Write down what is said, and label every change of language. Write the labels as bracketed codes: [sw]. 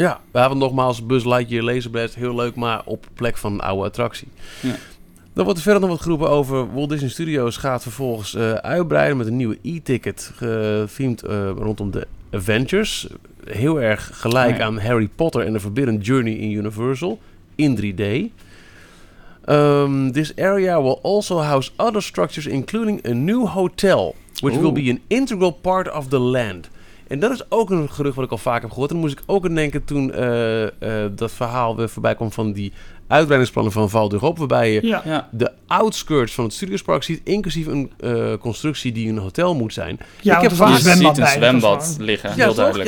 [nl] Ja, we hebben nogmaals Buzz Lightyear Laser Blast, heel leuk, maar op plek van een oude attractie. Ja. Dan wordt er verder nog wat geroepen over Walt Disney Studios gaat vervolgens uitbreiden met een nieuwe e-ticket, gefilmd rondom de Avengers. Heel erg gelijk aan Harry Potter en de Forbidden Journey in Universal, in 3D. [en] This area will also house other structures, including a new hotel, which will be an integral part of the land. [nl] En dat is ook een gerucht wat ik al vaak heb gehoord. En dan moest ik ook aan denken toen dat verhaal weer voorbij kwam van die uitbreidingsplannen van Val d'Europe, waarbij je de outskirts van het Studiospark ziet, inclusief een constructie die een hotel moet zijn. Ja, ik heb vaak een zwembad, liggen, heel duidelijk.